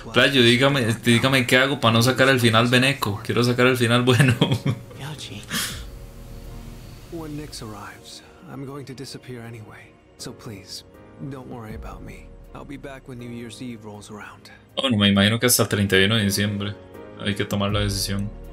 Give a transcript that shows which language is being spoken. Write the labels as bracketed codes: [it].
[es] Playo, dígame qué hago para no sacar el final beneco. Quiero sacar el final bueno. [en] When Nix arrives, I'm going to disappear anyway. So please, don't worry about me. I'll be back when New Year's Eve rolls around. [es] Oh, no, me imagino que hasta el 31 de diciembre hay que tomar la decisión.